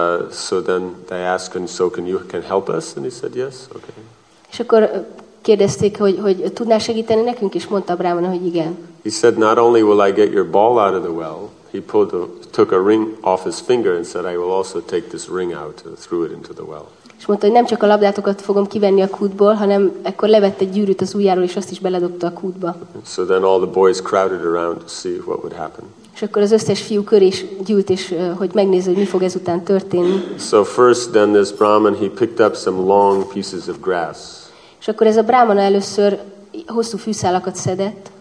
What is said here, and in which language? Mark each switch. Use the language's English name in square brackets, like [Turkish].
[English] So then they asked, and so can you help us? And he said yes. Okay. [Hungarian] És akkor kérdezték, hogy tudná segíteni nekünk, és mondta a brámana, hogy igen. [English] He said, not only will I get your ball out of the well, he pulled took a ring off his finger and said, I will also take this ring out and threw it into the well. [Hungarian] És mondta, hogy nem csak a labdátokat fogom kivenni a kútból, hanem ekkor levett egy gyűrűt az ujjáról, és azt is beledobta a kútba. [English] So then all the boys crowded around to see what would happen. [Hungarian] És akkor az összes fiú kör is gyűlt, és hogy megnézze, hogy mi fog ezután történni. [English] So first then this brahman, he picked up some long pieces of grass. [Hungarian] És akkor ez a brámana először hosszú fűszálakat szedett.